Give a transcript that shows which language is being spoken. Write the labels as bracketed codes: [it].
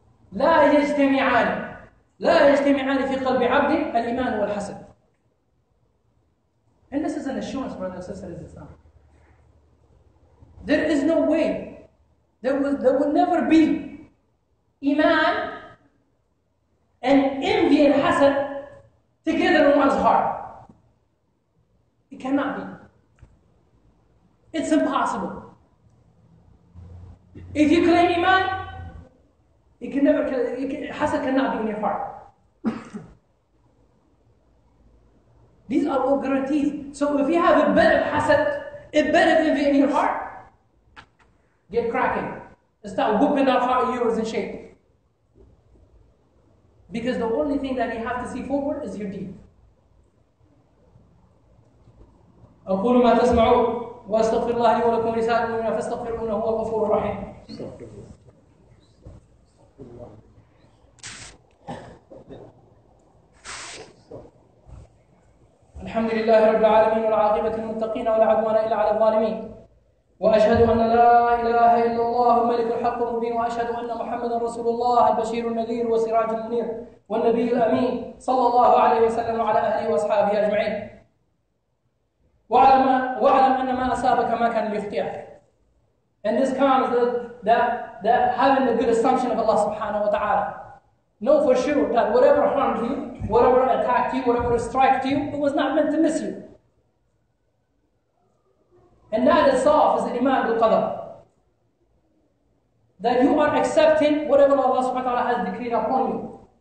[ar] لا يجتمعان لا يجتمعان في قلب عبد الإيمان والحسد. [en] And this is an assurance, brothers and sisters in Islam. There is no way. There will never be Iman and envy and hasad together in one's heart. It cannot be. It's impossible. If you claim Iman, hasad cannot be in your heart. These are all guarantees. So if you have a bit of hasad, a bit of envy in your heart, get cracking. And start whooping off how you are in shape. Because the only thing that you have to see forward is your deed. [ar] أقول ما تسمعوا واستغفر الله لي ولكم ولسائر المؤمنين فاستغفرونه هو الغفور الرحيم. الحمد لله رب العالمين والعاقبة للمتقين ولا عدوان إلا على الظالمين. وأشهد أن لا إله إلا الله الملك الحق المبين وأشهد أن محمدا رسول الله البشير النذير وسراج المنير والنبي الأمين صلى الله عليه وسلم وعلى أهله وأصحابه أجمعين. واعلم أن ما أصابك ما كان ليخطئك. [en] And this comes that having a good assumption of Allah subhanahu wa ta'ala. Know for sure that whatever harmed you, whatever attacked you, whatever striked you, it was not meant to miss you. And that itself is iman bil qadar. That you are accepting whatever Allah subhanahu wa ta'ala has decreed upon you.